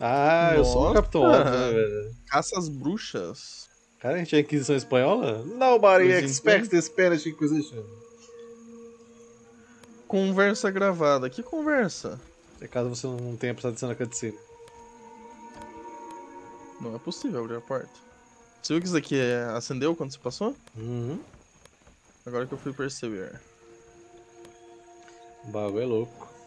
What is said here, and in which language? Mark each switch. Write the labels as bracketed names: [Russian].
[Portuguese] Ah, eu sou o Capitão Orca, velho. Caças bruxas. Cara, a gente é Inquisição Espanhola? [English] Nobody expects the Spanish Inquisition. [Portuguese] Conversa gravada. Que conversa? É caso você não tenha prestado atenção na cutscene. Não é possível abrir a porta. Você viu que isso aqui acendeu quando você passou? Uhum. Agora que eu fui perceber. O bagulho é louco.